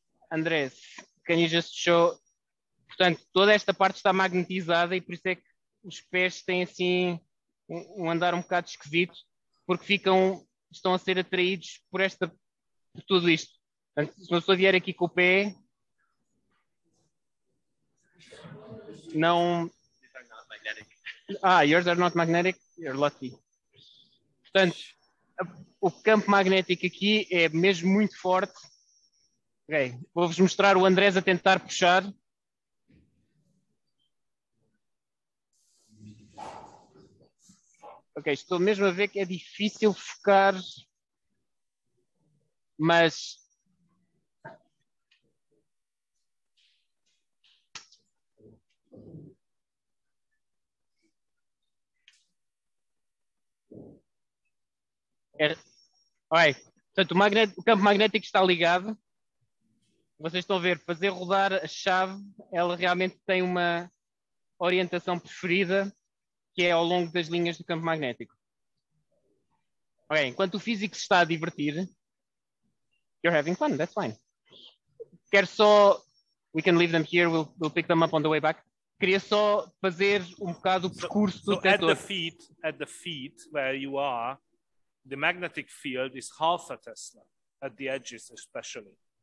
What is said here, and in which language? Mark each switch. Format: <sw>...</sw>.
<pt>Andrés,</pt> <en>can you just show...</en> <pt>Portanto, toda esta parte está magnetizada e por isso é que os pés têm assim um andar um bocado esquisito, porque estão a ser atraídos por tudo isto. Portanto, se uma pessoa vier aqui com o pé, não...</pt> <en>Ah, yours are not magnetic, you're lucky.</en> <pt>Portanto, o campo magnético aqui é mesmo muito forte. Ok, vou-vos mostrar o Andrés a tentar puxar. Ok, estou mesmo a ver que é difícil focar, mas... Olha, portanto, o campo magnético está ligado. Vocês estão a ver, fazer rodar a chave, ela realmente tem uma orientação preferida, que é ao longo das linhas do campo magnético. Ok, enquanto o físico se está a divertir,</pt> <en>you're having fun, that's fine.</en> <pt>Quero só,</pt> <en>we can leave them here, we'll pick them up on the way back.</en> <pt>Queria só fazer um bocado o percurso do tentador.</pt> <en>At the feet, where you are, the magnetic field is half a Tesla, at the edges especially.</en>